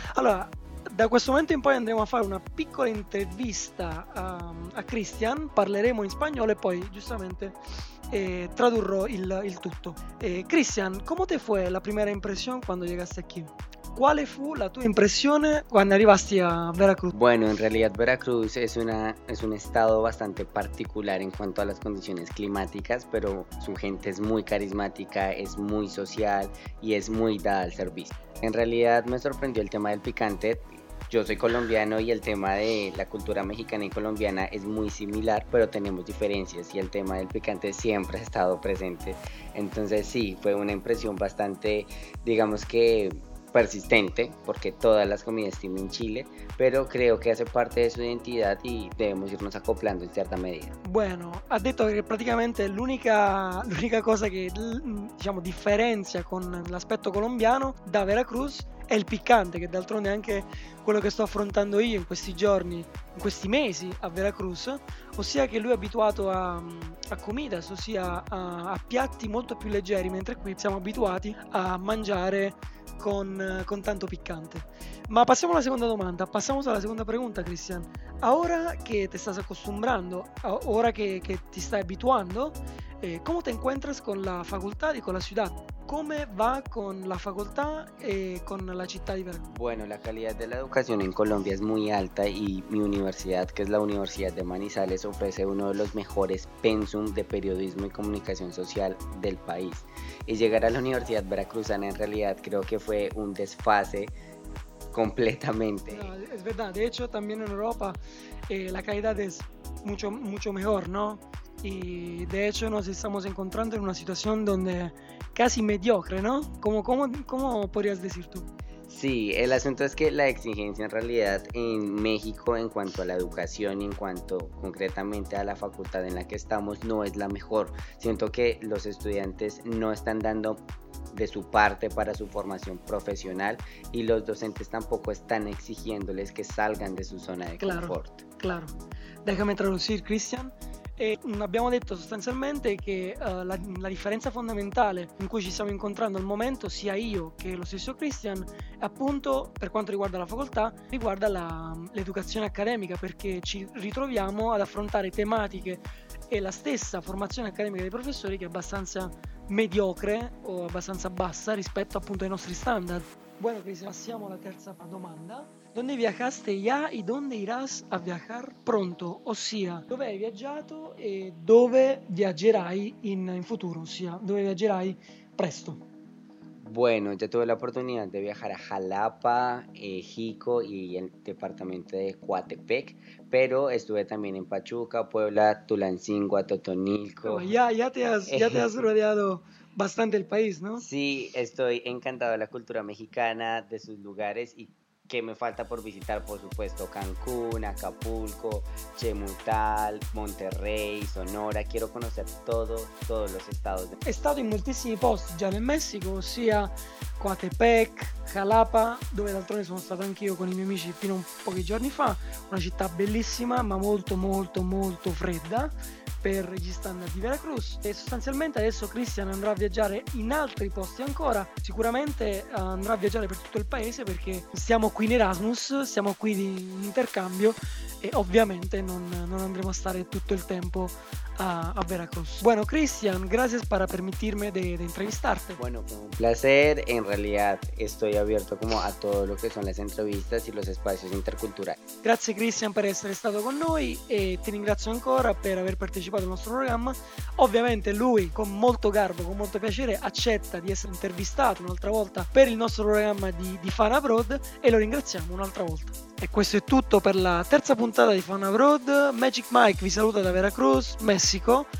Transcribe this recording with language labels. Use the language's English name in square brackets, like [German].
[Italian] Allora, da questo momento in poi andremo a fare una piccola intervista a Cristian, parleremo in spagnolo e poi giustamente tradurrò il tutto. Cristian, come te fu la prima impressione quando llegaste qui? Quale fu la tua impressione quando arrivasti a Veracruz? [Spanish] Bueno, en realidad Veracruz es un estado bastante particular en cuanto a las condiciones climáticas, pero su gente es muy carismática, es muy social y es muy dada al servicio. En realidad me sorprendió el tema del picante. Yo soy colombiano y el tema de la cultura mexicana y colombiana es muy similar, pero tenemos diferencias y el tema del picante siempre ha estado presente. Entonces sí, fue una impresión bastante, digamos que persistente, porque todas las comidas tienen chile, pero creo que hace parte de su identidad y debemos irnos acoplando en cierta medida. [Italian] Bueno, ha detto che praticamente l'unica cosa che diciamo differenzia con l'aspetto colombiano da Veracruz è il piccante, che d'altronde è anche quello che sto affrontando io in questi giorni, in questi mesi a Veracruz, ossia che lui è abituato a comidas, ossia a piatti molto più leggeri, mentre qui siamo abituati a mangiare con tanto piccante. Ma passiamo alla seconda pregunta, Cristian. Ora che ti stai accostumbrando, ora che ti stai abituando, come ti encuentras con la facoltà e con la città? [Spanish] ¿Cómo va con la facultad y con la ciudad de Veracruz? Bueno, la calidad de la educación en Colombia es muy alta y mi universidad, que es la Universidad de Manizales, ofrece uno de los mejores pensum de periodismo y comunicación social del país. Y llegar a la Universidad Veracruzana en realidad creo que fue un desfase completamente. No, es verdad, de hecho también en Europa la calidad es mucho, mucho mejor, ¿no? Y de hecho nos estamos encontrando en una situación donde casi mediocre, ¿no? ¿Cómo podrías decir tú? Sí, el asunto es que la exigencia en realidad en México en cuanto a la educación y en cuanto concretamente a la facultad en la que estamos no es la mejor. Siento que los estudiantes no están dando de su parte para su formación profesional y los docentes tampoco están exigiéndoles que salgan de su zona de confort. Claro, claro. Déjame traducir, Cristian. [Italian] E abbiamo detto sostanzialmente che la differenza fondamentale in cui ci stiamo incontrando al momento, sia io che lo stesso Cristian, è appunto, per quanto riguarda la facoltà, riguarda l'educazione accademica, perché ci ritroviamo ad affrontare tematiche e la stessa formazione accademica dei professori che è abbastanza mediocre o abbastanza bassa rispetto appunto ai nostri standard. Bueno, Cristian, passiamo alla terza domanda. [Spanish] ¿Dónde viajaste ya y dónde irás a viajar pronto? O sea, ¿dónde has viajado y dónde viajarás en futuro? O sea, ¿dónde viajarás presto? Bueno, ya tuve la oportunidad de viajar a Jalapa, Xico y el departamento de Coatepec, pero estuve también en Pachuca, Puebla, Tulancingo, Totonilco. Oh, ya te has rodeado bastante el país, ¿no? Sí, estoy encantado de la cultura mexicana, de sus lugares y que me falta por visitar, por supuesto, Cancún, Acapulco, Chemultal, Monterrey, Sonora. Quiero conocer todos los estados. He estado en [Italian] moltissimi posti già nel Messico, ossia Coatepec, Jalapa, dove d'altronde sono stato anch'io con i miei amici fino a pochi giorni fa. Una città bellissima, ma molto, molto, molto fredda. per gli standard di Veracruz. E sostanzialmente adesso Christian andrà a viaggiare in altri posti ancora, sicuramente andrà a viaggiare per tutto il paese, perché siamo qui in Erasmus, siamo qui in intercambio e ovviamente non andremo a stare tutto il tempo a Veracruz. [Spanish] Bueno, Christian, gracias para permitirme de entrevistarte. Bueno, fue un placer. En realidad estoy abierto como a todo lo que son las entrevistas y los espacios interculturales. [Italian] Grazie Christian per essere stato con noi e ti ringrazio ancora per aver partecipato al nostro programma. Ovviamente lui, con molto garbo, con molto piacere, accetta di essere intervistato un'altra volta per il nostro programma di Fan Abroad, e lo ringraziamo un'altra volta. E questo è tutto per la terza puntata di Fan Abroad. Magic Mike vi saluta da Veracruz, Messico.